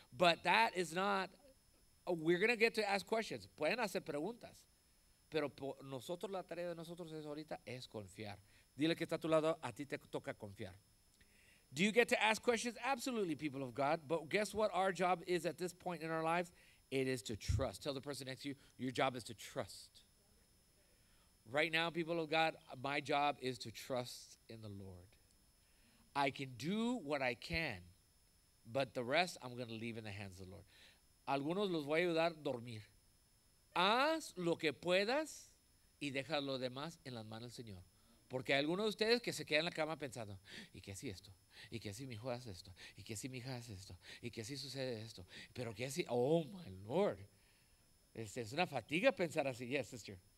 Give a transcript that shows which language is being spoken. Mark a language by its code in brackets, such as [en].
[en] But that is not, we're going to get to ask questions. [es] Pueden hacer preguntas. Pero nosotros, la tarea de nosotros es ahorita es confiar. Dile que está a tu lado, a ti te toca confiar. [en] Do you get to ask questions? Absolutely, people of God. But guess what our job is at this point in our lives? It is to trust. Tell the person next to you, your job is to trust. Right now, people of God, my job is to trust in the Lord. I can do what I can, but the rest I'm going to leave in the hands of the Lord. [es] Algunos los voy a ayudar a dormir. Haz lo que puedas y deja lo demás en las manos del Señor. Porque hay algunos de ustedes que se quedan en la cama pensando, ¿y qué si esto? ¿Y qué si mi hijo hace esto? ¿Y qué si mi hija hace esto? ¿Y qué si sucede esto? ¿Pero qué si? [en] Oh, my Lord. [es] Es una fatiga pensar así. [en] Yes, sister.